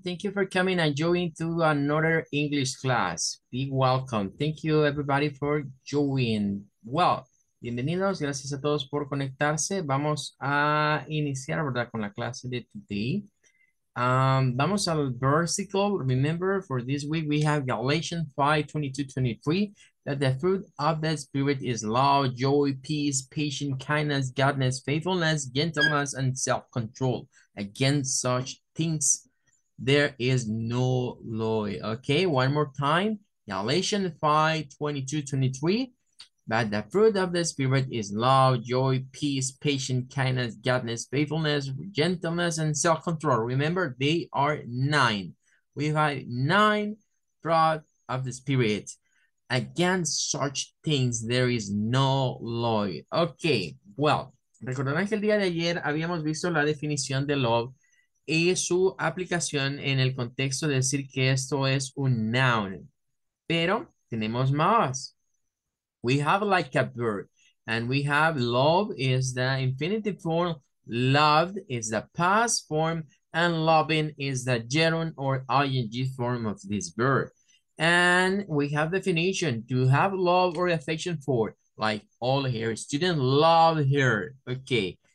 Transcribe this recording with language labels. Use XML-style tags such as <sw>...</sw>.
<en>Thank you for coming and joining to another English class. Be welcome. Thank you everybody for joining. Well,</en> <es>bienvenidos. Gracias a todos por conectarse. Vamos a iniciar, ¿verdad?, con la clase de</es> <en>today.</en> <es>Vamos al versículo.</es> <en>Remember, for this week we have Galatians 5:22-23. That the fruit of the Spirit is love, joy, peace, patience, kindness, goodness, faithfulness, gentleness, and self-control. Against such things, there is no law. Okay, one more time. Galatians 5:22-23. But the fruit of the Spirit is love, joy, peace, patience, kindness, goodness, faithfulness, gentleness, and self-control. Remember, they are nine. We have nine fruit of the Spirit. Against such things, there is no law.</en> <es>Okay, well, recordarán que el día de ayer habíamos visto la definición de love y su aplicación en el contexto de decir que esto es un noun. Pero tenemos más.</es> <en>We have like a verb. And we have love is the infinitive form. Loved is the past form. And loving is the gerund or ing form of this verb. And we have definition, to have love or affection for, like all here, student love here, okay.</en>